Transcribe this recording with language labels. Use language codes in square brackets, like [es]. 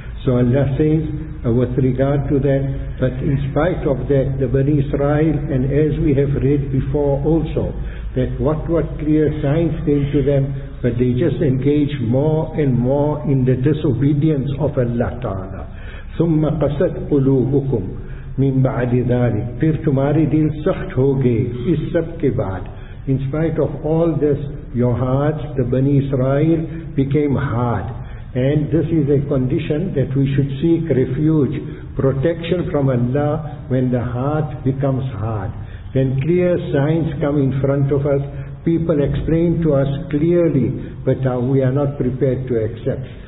[en] So Allah says with regard to that, but in spite of that, the Bani Israel, and as we have read before also, that what clear signs came to them, but they just engaged more and more in the disobedience of Allah Ta'ala. [ar] ثُمَّ قَسَدْ قُلُوبُكُمْ مِن بَعْدِ ذَلِكَ، [ur] پھر تمہاری دل سخت ہو گئے اس سب کے بعد. [en] In spite of all this, your hearts, the Bani Israel, became hard. And this is a condition that we should seek refuge, protection from Allah when the heart becomes hard. When clear signs come in front of us, people explain to us clearly, but we are not prepared to accept.